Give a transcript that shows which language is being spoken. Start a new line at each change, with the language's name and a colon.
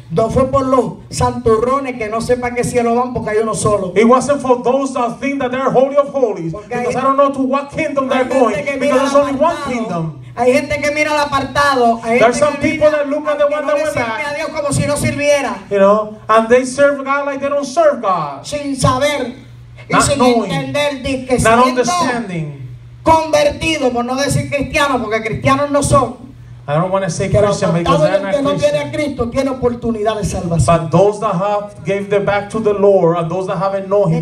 Spanish: No fue por los santurrones que no sepan que cielo van porque hay uno solo.
English: It wasn't for those that think that they're holy of holies.
Spanish: Porque
English: because I don't know to what kingdom they're going. Because there's only one kingdom.
Spanish: Hay gente que mira al apartado.
English: There's some people that look at the one that went back.
Spanish: A Dios como si no sirviera.
English: You know, and they serve God like they don't serve God.
Spanish: Sin saber.
English: Not
Spanish: sin
English: knowing.
Spanish: Entender,
English: not understanding.
Spanish: Convertido, por no decir cristiano, porque cristianos no son.
English: I don't want to say Christian because they're not Christian.
Spanish: Tiene a Cristo, tiene oportunidad de salvación.
English: But those that have gave their back to the Lord and those that haven't known him,